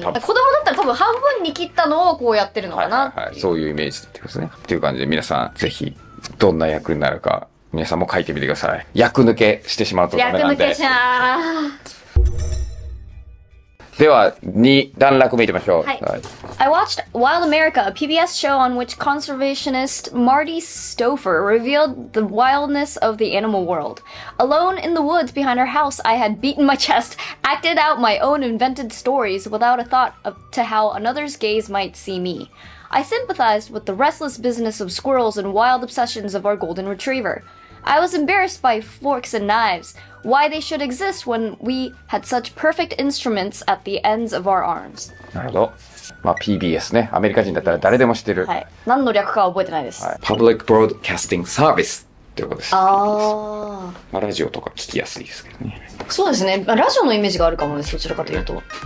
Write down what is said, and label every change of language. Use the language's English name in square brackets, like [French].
[Japanese] 多分子供だったら多分半分に切ったのをこうやってるのかな、はいはいはい、そういうイメージってことですね。っていう感じで皆さんぜひどんな役になるか皆さんも書いてみてください。役抜けしてしまうとダメなんで。役抜けじゃでは、2段落目いきましょう。はい。 [English] はい、I watched Wild America, a PBS show on which conservationist Marty Stoffer revealed the wildness of the animal world. Alone in the woods behind our house, I had beaten my chest, acted out my own invented stories without a thought of, to how another's gaze might see me. I sympathized with the restless business of squirrels and wild obsessions of our golden retriever. I was embarrassed by forks and knives. Why they should exist when we had such perfect instruments at the ends of our arms. [Japanese] なるほど。まあ PBS ね。アメリカ人だったら誰でも知ってる。はい。何の略かは覚えてないです。はい、 Public Broadcasting Service っていうことです。ああ。まあラジオとか聞きやすいですけどね。そうですね。まあ、ラジオのイメージがあるかもね、そちらかというと。